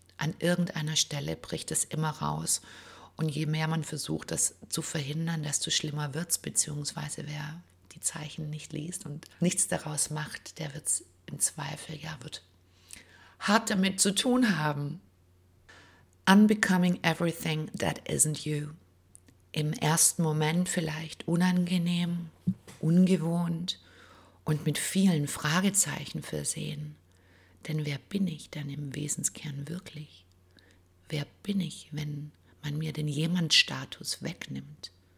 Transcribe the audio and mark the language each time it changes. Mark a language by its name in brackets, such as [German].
[German] An irgendeiner Stelle bricht es immer raus. Und je mehr man versucht, das zu verhindern, desto schlimmer wird es, beziehungsweise wer die Zeichen nicht liest und nichts daraus macht, der wird es im Zweifel, ja, wird hart damit zu tun haben. [English] Unbecoming everything that isn't you. [German] Im ersten Moment vielleicht unangenehm, ungewohnt und mit vielen Fragezeichen versehen. Denn wer bin ich denn im Wesenskern wirklich? Wer bin ich, wenn man mir den Jemandstatus wegnimmt?